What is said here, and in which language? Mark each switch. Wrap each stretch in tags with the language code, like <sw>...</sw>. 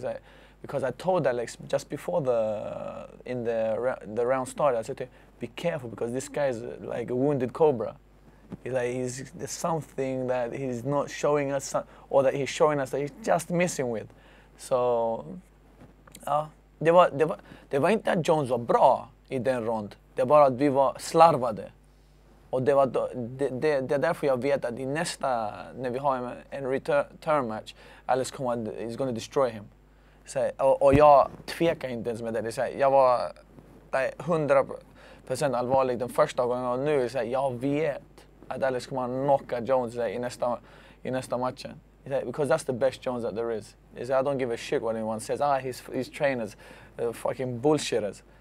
<en>Like, because I told Alex just before the round started, I said to him, be careful because this guy is like a wounded cobra. He's like, there's something that he's not showing us, or that he's showing us that he's just missing with.</en> <sv>So, det var inte att Jones var bra i den rond, det var att vi var slarvade. Och det är därför jag vet att i nästa, när vi har en return match, Alex kommer,</sv> <en>he's gonna destroy him.</en> <sv>Så, och jag tvekar inte ens med det. Så, jag var 100% allvarlig den första gången och nu så, jag vet</sv> <en>Adalys is going to knock out Jones like, in</en> <sv>nästa matchen.</sv> <en>Like, because that's the best Jones that there is. He's like, I don't give a shit what anyone says. Ah, his trainers, fucking bullshitters.</en>